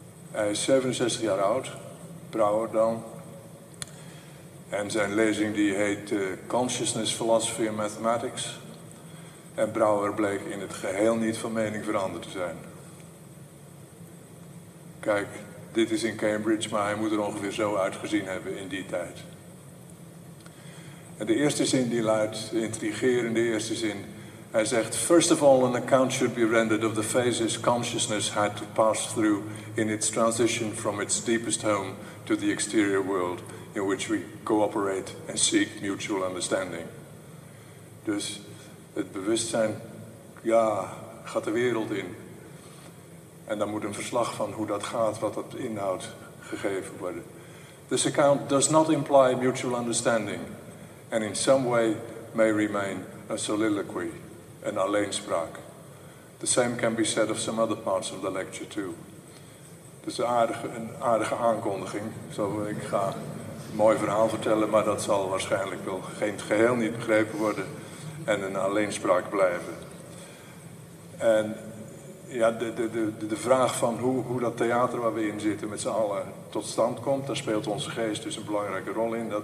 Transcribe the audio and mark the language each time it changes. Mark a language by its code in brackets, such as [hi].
[nl] Hij is 67 jaar oud, Brouwer dan. En zijn lezing die heet [en] Consciousness, Philosophy and Mathematics. [nl] En Brouwer bleek in het geheel niet van mening veranderd te zijn. Kijk, dit is in Cambridge, maar hij moet er ongeveer zo uitgezien hebben in die tijd. En de eerste zin die luidt, intrigerende eerste zin. Hij zegt, [en] first of all an account should be rendered of the phases consciousness had to pass through in its transition from its deepest home to the exterior world, in which we cooperate and seek mutual understanding. [nl] Dus het bewustzijn, ja, gaat de wereld in. En dan moet een verslag van hoe dat gaat, wat dat inhoudt, gegeven worden. [en] This account does not imply mutual understanding, and in some way may remain a soliloquy, an alleenspraak. The same can be said of some other parts of the lecture too. [nl] Dus een aardige aankondiging, zo ik ga een mooi verhaal vertellen, maar dat zal waarschijnlijk wel geen geheel niet begrepen worden en een alleenspraak blijven. En ja, de vraag van hoe dat theater waar we in zitten met z'n allen tot stand komt, daar speelt onze geest dus een belangrijke rol in.